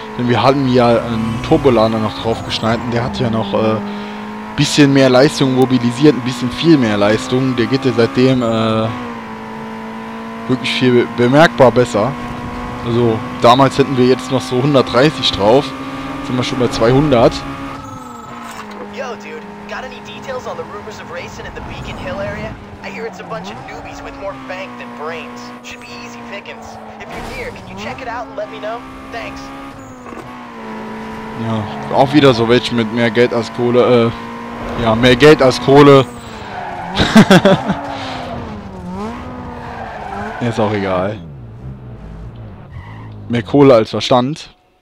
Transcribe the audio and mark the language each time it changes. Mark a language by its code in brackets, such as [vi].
[de] Denn wir hatten ja einen Turbolader noch drauf geschneiden. Der hat ja noch bisschen mehr Leistung mobilisiert, ein bisschen viel mehr Leistung. Der geht ja seitdem wirklich viel bemerkbar besser. Also damals hätten wir jetzt noch so 130 drauf. Jetzt sind wir schon bei 200. [en] Yo, dude, got any details on the rumors of racing in the Beacon Hill area? I hear it's a bunch of newbies with more bank than brains. Should be easy pickings. If you're near, can you check it out and let me know? Thanks. [de] Ja, auch wieder so welche mit mehr Geld als Kohle. Ja, mehr Geld als Kohle. Ist auch egal. Mehr Kohle als Verstand.